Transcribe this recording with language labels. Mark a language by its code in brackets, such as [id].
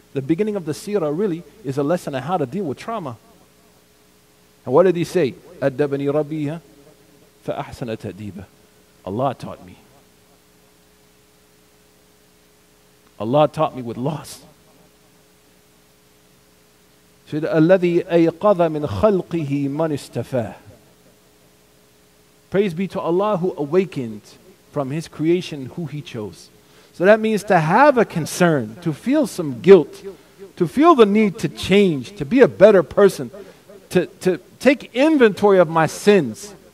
[en] The beginning of the seerah really is a lesson on how to deal with trauma. And what did he say? [ar] أَدَّبَنِي رَبِّيَ فَأَحْسَنَ تَأْدِيبَ. [en] Allah taught me. Allah taught me with loss. Said, [ar] الَّذِي أَيْقَظَ مِنْ خَلْقِهِ مَنْ اسْتَفَى. [en] Praise be to Allah who awakened from his creation who he chose. So that means to have a concern, to feel some guilt, to feel the need to change, to be a better person, to take inventory of my sins.